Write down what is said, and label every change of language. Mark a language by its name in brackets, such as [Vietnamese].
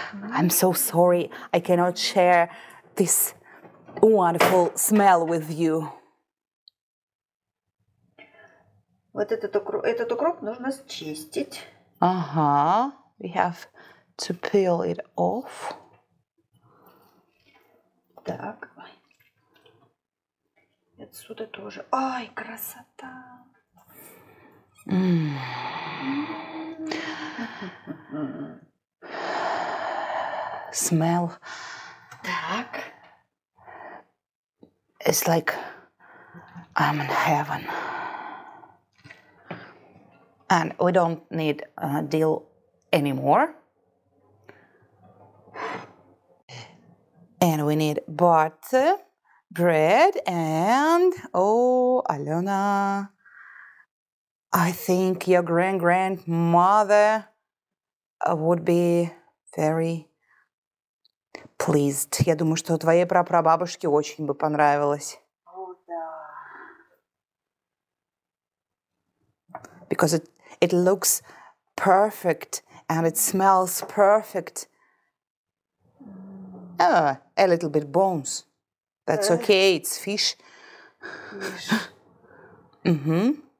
[English] I'm so sorry, I cannot share this wonderful smell with you. [Russian] Вот этот укроп нужно счистить. [English] Uh-huh, we have to peel it off. [Russian] Так. Отсюда тоже. Ай, красота! [English] Smell. [Russian] Так. [English] It's like I'm in heaven. And we don't need a deal anymore. And we need butter. Bread and, oh, Alyona, I think your grand-grandmother would be very pleased. [Russian] Я думаю, что твоей прапрабабушке очень бы понравилось. [English] Oh, да. Because it looks perfect and it smells perfect. Mm. Oh, a little bit bones. That's okay, it's fish. Fish. Mm-hmm.